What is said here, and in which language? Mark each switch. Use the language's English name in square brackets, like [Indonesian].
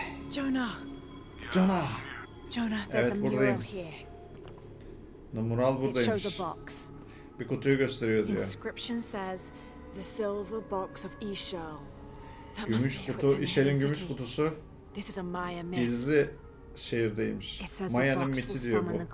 [Turkish] Jonah. Jonah. Jonah, evet, buradayım. No, mural buradaymış. Bir kutuyu gösteriyor diyor. [English] Inscription says the silver box of Ishel. [Turkish] Gümüş kutu, Ishel'in gümüş kutusu. Gizli şehirdeymiş. Maya'nın miti diyor bu.